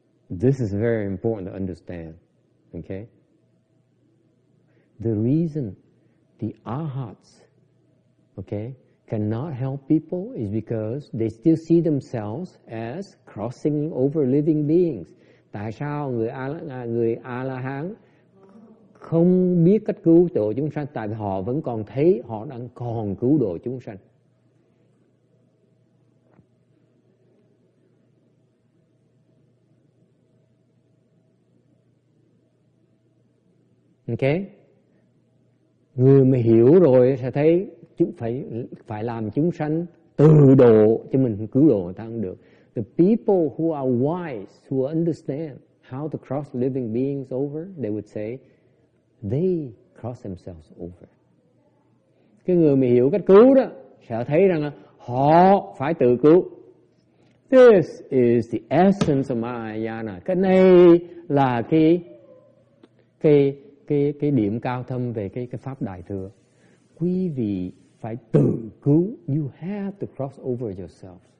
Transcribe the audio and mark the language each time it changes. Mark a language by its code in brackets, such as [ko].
[en] This is very important to understand. Okay? The reason the arhats, okay, cannot help people is because they still see themselves as crossing over living beings. [vi] Tại sao người A-la-hán không biết cách cứu độ chúng sanh? Tại vì họ vẫn còn thấy họ đang còn cứu độ chúng sanh. [en] Ok? [vi] Người mà hiểu rồi sẽ thấy phải phải làm chúng sanh từ độ cho mình cứu độ người ta cũng được. [en] The people who are wise, who understand how to cross living beings over, they would say, they cross themselves over. [vi] Cái người mà hiểu cách cứu đó sẽ thấy rằng là họ phải tự cứu. [en] This is the essence of Mahayana. [vi] Cái này là cái điểm cao thâm về cái pháp đại thừa. Quý vị phải tự cứu. [en] You have to cross over yourself.